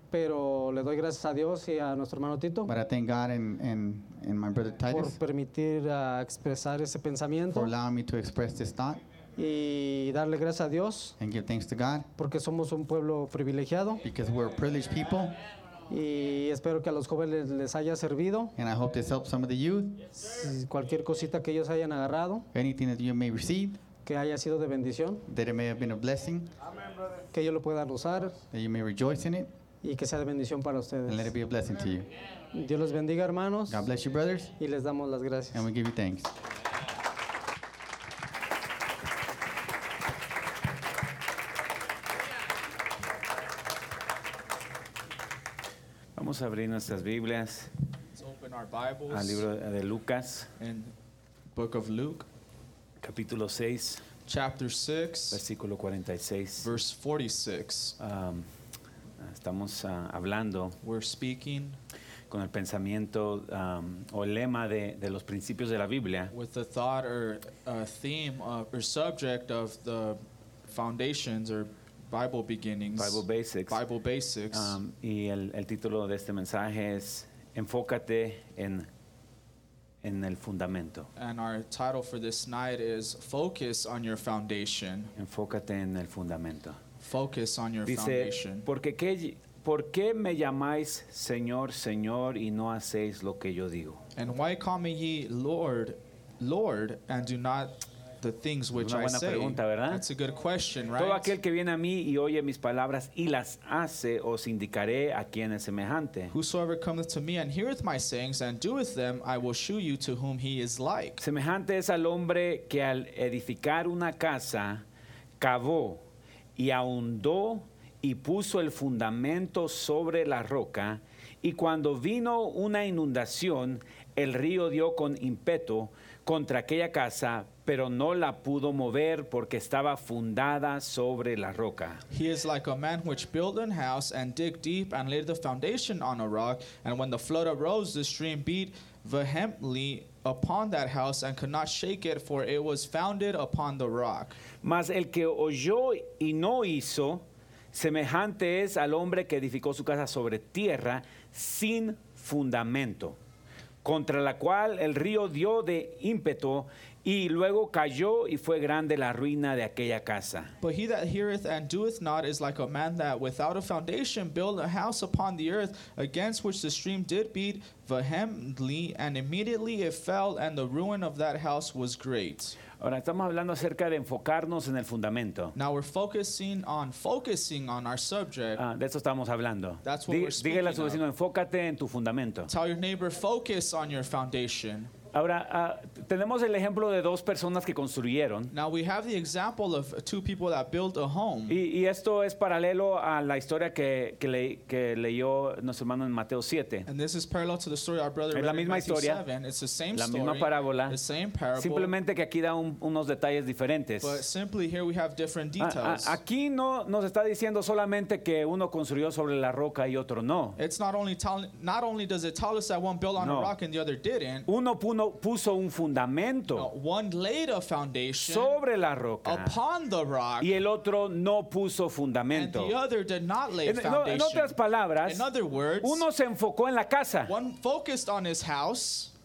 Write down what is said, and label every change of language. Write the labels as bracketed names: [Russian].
[Spanish] Pero le doy gracias a Dios y a nuestro hermano Tito. [English] But I thank God and my brother Titus. [Spanish] Por permitir expresar ese pensamiento. [English] For allowing me to express this thought. [Spanish] Y darle gracias a Dios. [English] And give thanks to God. [Spanish] Porque somos un pueblo privilegiado. [English] Because we're privileged people. [Spanish] Y espero que a los jóvenes les haya servido. [English] And I hope this helps some of the youth. [Spanish] Cualquier cosita que ellos hayan agarrado. [English] Anything that you may receive. [Spanish] Que haya sido de bendición. [English] That it may have been a blessing. [Spanish] Que ellos lo puedan usar. [English] That you may rejoice in it. [Spanish] Y que sea de bendición para ustedes. [English] And let it be a blessing to you. [Spanish] Dios los bendiga, hermanos. [English] God bless you, brothers. [Spanish] Y les damos las gracias. [English] And we give you thanks. [Spanish] Vamos a abrir nuestras Biblias. [English] Let's open our Bibles. [Spanish] Al libro de Lucas. [English] In Book of Luke. [Spanish] Capítulo 6. [English] Chapter 6. [Spanish] Versículo 46. [English] Verse 46. [Spanish] Estamos hablando. [English] We're speaking. [Spanish] Con el pensamiento o el lema de los principios de la Biblia. [English] With the thought or theme of, or subject of the foundations or Bible Beginnings. Bible Basics. Bible Basics. [Spanish] Y el título de este mensaje es Enfócate en el fundamento. [English] And our title for this night is Focus on Your Foundation. [Spanish] Enfócate en el fundamento. [English] Focus on your [Spanish] Dice, [English] foundation. [Spanish] Porque qué ¿Por qué me llamáis Señor, Señor, y no hacéis lo que yo digo? [English] And why call me ye Lord, Lord, and do not the things which I say? [Spanish] Una buena pregunta, ¿verdad? [English] That's a good question, right? [Spanish] Todo aquel que viene a mí y oye mis palabras y las hace, os indicaré a quién es semejante. [English] Whosoever cometh to me and heareth my sayings and doeth them, I will shew you to whom he is like. [Spanish] Semejante es al hombre que al edificar una casa, cavó y ahondó y puso el fundamento sobre la roca, y cuando vino una inundación, el río dio con ímpetu contra aquella casa, pero no la pudo mover porque estaba fundada sobre la roca. [English] He is like a man which built an house and digged deep and laid the foundation on a rock, and when the flood arose, the stream beat vehemently upon that house and could not shake it, for it was founded upon the rock. [Spanish] Mas el que oyó y no hizo, semejante es al hombre que edificó su casa sobre tierra sin fundamento, contra la cual el río dio de ímpetu y luego cayó y fue grande la ruina de aquella casa. [English] But he that heareth and doeth not is like a man that without a foundation built a house upon the earth, against which the stream did beat vehemently, and immediately it fell, and the ruin of that house was great. [Spanish] Ahora estamos hablando acerca de enfocarnos en el fundamento. [English] Now we're focusing on our subject. [Spanish] De eso estamos hablando. [English] That's what we're speaking. [Spanish] Dígale a su vecino, enfócate en tu fundamento. [English] Tell your neighbor, focus on your foundation. [Spanish] Ahora tenemos el ejemplo de dos personas que construyeron. [English] Now we have the example of two people that built a home. [Spanish] Y esto es paralelo a la historia que leyó nuestro hermano en Mateo 7. [English] And this is parallel to the story our brother read in Matthew 7. [Spanish] Es la misma [English] historia. It's the same [Spanish] story. La misma parábola. [English] The same parable. [Spanish] Simplemente que aquí da unos detalles diferentes. [English] But simply here we have different details. [Spanish] Aquí no nos está diciendo solamente que uno construyó sobre la roca y otro no. [English] It's not only does it tell us that one built on a rock and the other didn't. [Spanish] Uno puso un fundamento sobre la roca [English] upon the rock, [Spanish] y el otro no puso fundamento. [English] And the other did not lay foundation. [Spanish] En otras palabras, [English] in other words, [Spanish] uno se enfocó en la casa. [English] One focused on his house,